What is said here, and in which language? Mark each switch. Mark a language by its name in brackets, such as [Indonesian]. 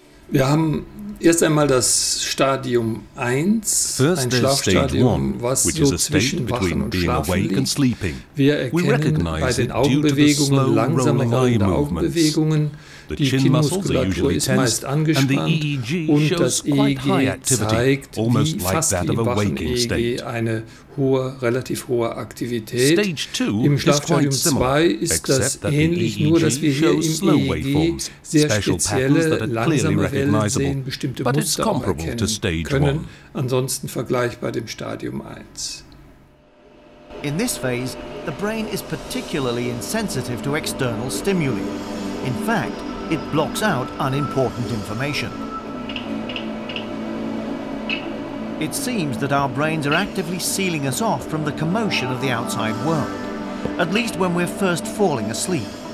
[English] First, there's Stadium 1, which is a state between being awake and sleeping. We recognize it due to the slow, rolling eye movements. [German] Die Kinnmuskulatur ist meist angespannt und das EEG zeigt, wie fast wie im Wachen-EEG, eine hohe, relativ hohe Aktivität. Im Schlafstadium 2 ist das ähnlich, nur dass wir hier im EEG sehr spezielle, langsame Wellen sehen, bestimmte Muster auch erkennen können, ansonsten vergleichbar dem Stadium 1. [English] In this phase, the brain is particularly insensitive to external stimuli. In fact, it blocks out unimportant information. It seems that our brains are actively sealing us off from the commotion of the outside world, at least when we're first falling asleep.